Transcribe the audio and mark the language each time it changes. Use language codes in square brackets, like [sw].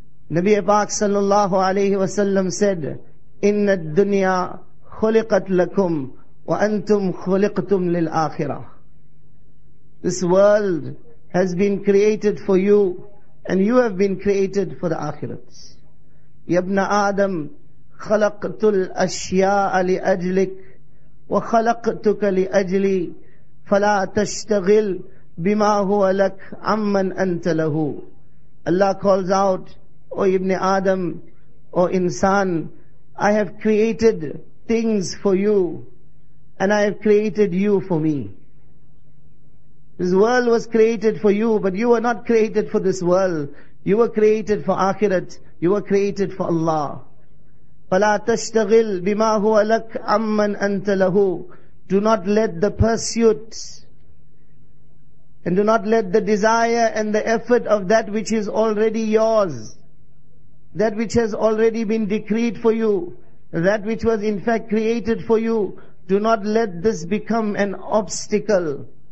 [en] Nabi Pak sallallahu alayhi wa sallam said, [ar] إِنَّ الدُّنْيَا خُلِقَتْ لَكُمْ وَأَنْتُمْ خُلِقْتُمْ لِلْآخِرَةِ. [en] This world has been created for you, and you have been created for the akhirat. [ar] يبن آدم خلقت الأشياء لأجلك وخلقتك لأجلي فلا تشتغل بما هو لك عمن أنت له. [en] Allah calls out, O Ibn Adam, O insan, I have created things for you and I have created you for me. This world was created for you, but you were not created for this world. You were created for akhirat. You were created for Allah. [ar] فَلَا تَشْتَغِلْ بِمَا هُوَ لَكْ عَمَّنْ أَنْتَ لَهُ. [en] Do not let the pursuit And do not let the desire and the effort of that which is already yours, that which has already been decreed for you, that which was in fact created for you, do not let this become an obstacle.